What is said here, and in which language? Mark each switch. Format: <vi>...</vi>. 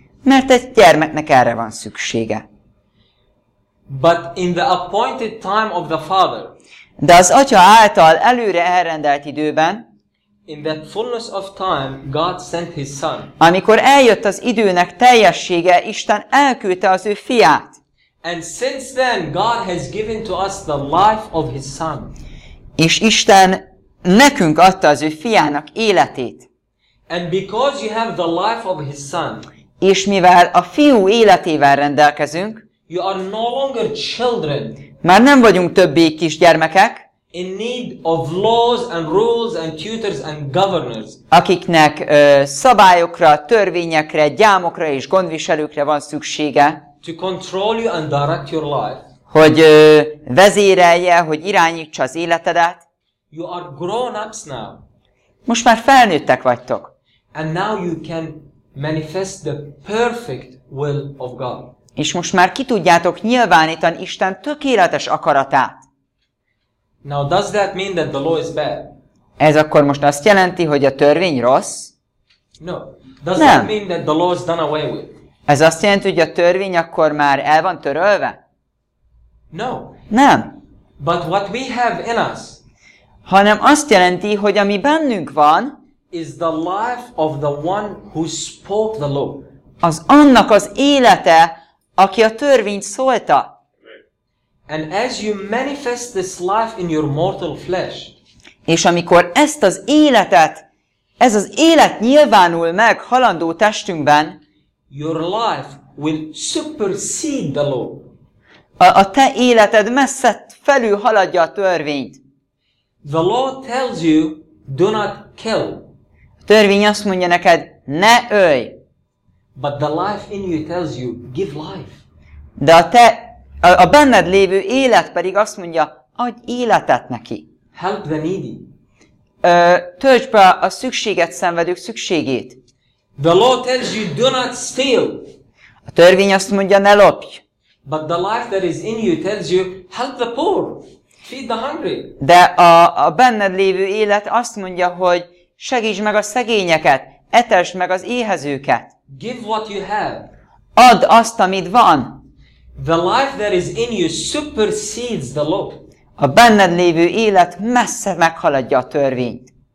<hu>Mert egy gyermeknek erre van szüksége.</hu> <en>But in the appointed time of the Father,</en> <hu>de az Atya által előre elrendelt időben,</hu> <en>in that fullness of time, God sent his son.</en> <hu>Amikor eljött az időnek teljessége, Isten elküldte az ő fiát.</hu> <en>And since then, God has given to us the life of his son.</en> <hu>És Isten nekünk adta az ő fiának életét.</hu> <en>And because you have the life of his son,</en> <hu>és mivel a fiú életével rendelkezünk,</hu> <en>you are no longer children.</en> <hu>Már nem vagyunk többé kisgyermekek,</hu> <en>in need of laws and rules and tutors and governors,</en> <hu>akiknek szabályokra, törvényekre, gyámokra és gondviselőkre van szüksége,</hu> <en>to control you and direct your life,</en> <hu>hogy vezérelje, hogy irányítsa az életedet.</hu> <en>You are grown-ups now.</en> <hu>Most már felnőttek vagytok.</hu> <en>And now you can manifest the perfect will of God.</en> <hu>És most már ki tudjátok nyilvánítani Isten tökéletes akaratát.</hu> <en>Now does that mean that the law is bad?</en> <hu>Ez akkor most azt jelenti, hogy a törvény rossz?</hu> <en>No. Does that mean that the law is done away with?</en> <hu>Ez azt jelenti, hogy a törvény akkor már el van törölve?</hu> <en>No.</en> <hu>Nem.</hu> <en>But what we have in us,</en> <hu>hanem azt jelenti, hogy ami bennünk van,</hu> <en>is the life of the one who spoke the law.</en> <hu>Az annak az élete, aki a törvényt szólta.</hu> <en>And as you manifest this life in your mortal flesh,</en> <hu>és amikor ezt az életet, ez az élet nyilvánul meg halandó testünkben,</hu> <en>your life will supersede the law.</en> <hu>A te életed messze felül haladja a törvényt.</hu> <en>The law tells you, do not kill.</en> <hu>A törvény azt mondja neked, ne ölj.</hu> <en>But the life in you tells you, give life.</en> <hu>De a te a benned lévő élet pedig azt mondja, adj életet neki.</hu> <en>Help the needy.</en> <hu>Töltsd be a szükséget szenvedők szükségét.</hu> <en>The law tells you, do not steal.</en> <hu>A törvény azt mondja, ne lopj.</hu> <en>But the life that is in you tells you, help the poor, feed the hungry.</en> <hu>De a benned lévő élet azt mondja, hogy segítsd meg a szegényeket, etesd meg az éhezőket.</hu> <en>Give what you have.</en> <hu>Add azt, amit van.</hu> <en>The life that is in you supersedes the law.</en> <hu>A benned lévő élet messze meghaladja a törvényt.</hu>